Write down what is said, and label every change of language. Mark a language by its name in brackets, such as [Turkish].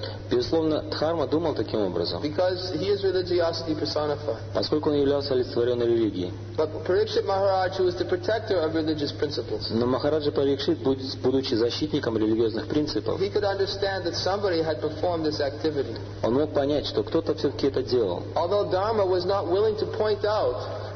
[Russian] Безусловно, Дхарма думал таким образом. [English] Because he is religiosity personified. [Russian] Поскольку он являлся олицетворенной религией. [English] But Parikshit Maharaj, who is the protector of religious principles. [Russian] Но Махараджа Парикшит, будучи защитником религиозных принципов, [English] he could understand that somebody had performed this activity. [Russian] Он мог понять, что кто-то все-таки это делал. [English] Although Dharma was not willing to point out.